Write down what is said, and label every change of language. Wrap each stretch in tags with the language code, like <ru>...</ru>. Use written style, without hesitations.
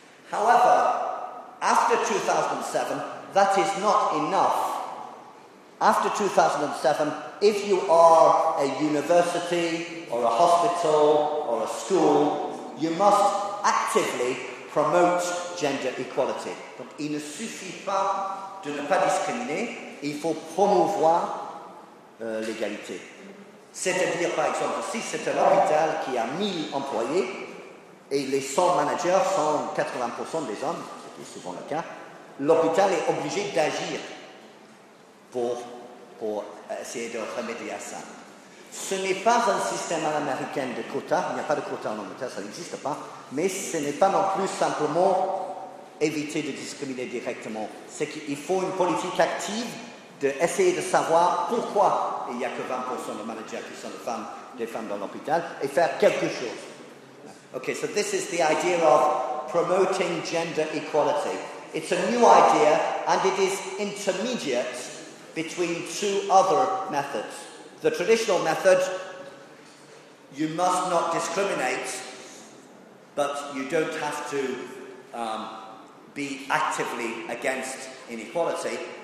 <en>However, after 2007, that is not enough. After 2007, if you are a university or a hospital or a school, you must actively promote gender equality.</en> <fr>Donc, il ne suffit pas de ne pas discriminer, il faut promouvoir l'égalité. C'est-à-dire, par exemple, si c'est un hôpital qui a 1000 employés et les 100 managers sont 80% des hommes, ce qui est souvent le cas, l'hôpital est obligé d'agir pour essayer de remédier à ça. Ce n'est pas un système à l'américaine de quotas, il n'y a pas de quotas en Angleterre, ça n'existe pas, mais ce n'est pas non plus simplement éviter de discriminer directement. C'est qu'il faut une politique active d'essayer de savoir pourquoi il n'y a que 20% de managers qui sont des femmes dans l'hôpital et faire quelque chose.</fr> <en>Ok, so this is the idea of promoting gender equality. It's a new idea and it is intermediate between two other methods. The traditional method, you must not discriminate, but you don't have to be actively against inequality.</en>